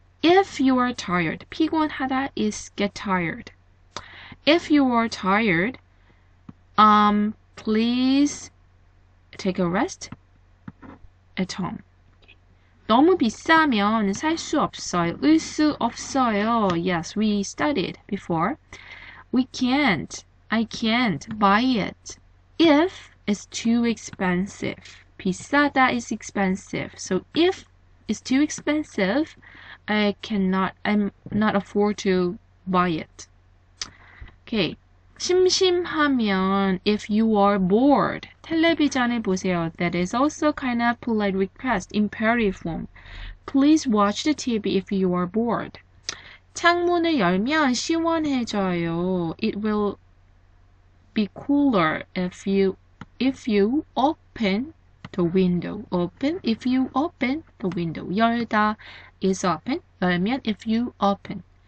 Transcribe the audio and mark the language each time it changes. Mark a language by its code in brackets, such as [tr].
[en] If you are tired, [ko] 피곤하다 [en] is get tired. If you are tired, please take a rest at home. [ko] 너무 비싸면 살 수 없어요. 을 수 없어요. [en] Yes, we studied before. I can't buy it if it's too expensive. [ko] 비싸다 [en] is expensive. So if it's too expensive, I'm not afford to buy it. Okay. [ko] 심심하면, [en] if you are bored, [ko] 텔레비전을 보세요. [en] That is also kind of polite request, imperative form. Please watch the TV if you are bored. [ko] 창문을 열면 시원해져요. [en] It will be cooler if you open the window. [ko] 열다 [en] is open. [ko] 열면, [en] if you open.